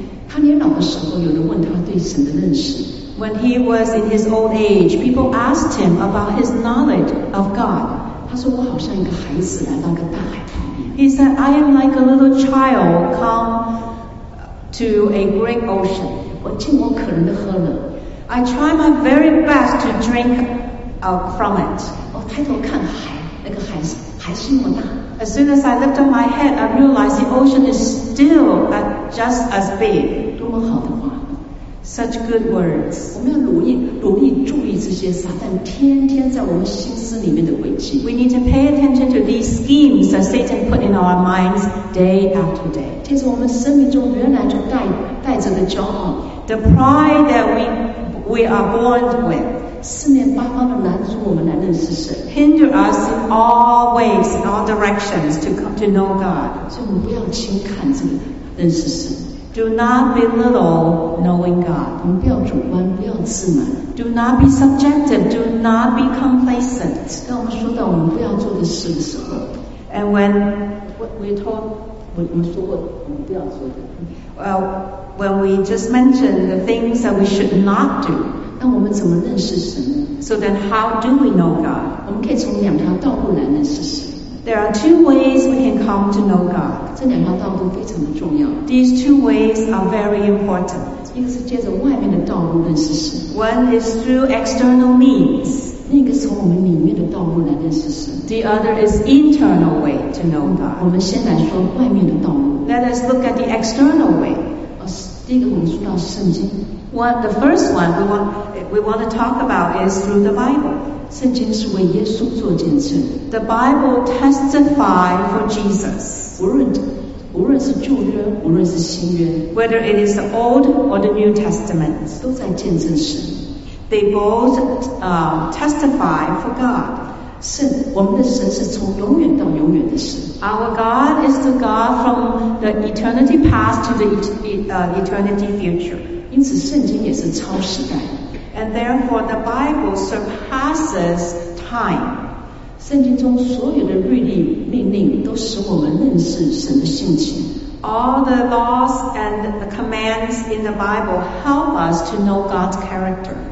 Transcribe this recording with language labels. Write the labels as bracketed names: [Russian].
[Chinese] 他年老的时候，有人问他对神的认识。 [English] When he was in his old age, people asked him about his knowledge of God. [Chinese] 他说我好像一个孩子来到个大海旁边。 [English] He said, I am like a little child come to a great ocean. [Chinese] 我尽我可能的喝了。 [English] I try my very best to drink from it. [Chinese] 我抬头看海，那个海还是那么大。 [English] As soon as I lift up my head, I realize the ocean is still just as big. [Chinese] 多么好的话。 [English] Such good words. [Chinese] 我们要努力注意这些撒旦天天在我们心思里面的诡计。 [English] We need to pay attention to these schemes that Satan put in our minds day after day. [Chinese] 这是我们生命中原来就带着的骄傲。 [English] The pride that we are born with. [Chinese] 四面八方的拦住我们来认识神。 [English] Hinder us in all ways, in all directions to come to know God. [Chinese] 所以我们不要轻看这个认识神。 [English] Do not belittle knowing God. [Chinese] 我们不要主观，不要自满。 [English] Do not be subjective. Do not be complacent. [Chinese] 当我们说到我们不要做的事的时候 [English] ，and when we talk， [Chinese] 我们说过我们不要做的。 [English] Well, when we just mentioned the things that we should not do， [Chinese] 那我们怎么认识神呢 [English] ？So then, how do we know God？ [Chinese] 我们可以从两条道路来认识神。 [English] There are two ways we can come to know God. [Chinese] 这两条道路非常的重要。 [English] These two ways are very important. [Chinese] 一个是借着外面的道路认识神。 [English] One is through external means. [Chinese] 另一个从我们里面的道路来认识神。 [English] The other is internal way to know God. [Chinese] 我们先来说外面的道路。 [English] Let us look at the external way. [Chinese] 第一个我们说到圣经。 [English] One, the first one we want to talk about is through the Bible. [Chinese] 圣经是为耶稣做见证。 [English] The Bible testifies for Jesus. [Chinese] 无论是旧约，无论是新约 [English] ，whether it is the Old or the New Testament， [Chinese] 都在见证神。 [English] They both testify for God. [Chinese] 神，我们的神是从永远到永远的神。 [English] Our God is the God from the eternity past to the eternity future. [Chinese] 因此，圣经也是超时代。 [English] And therefore, the Bible surpasses time. [Chinese] 圣经中所有的律例命令都使我们认识神的性情。 [English] All the laws and the commands in the Bible help us to know God's character.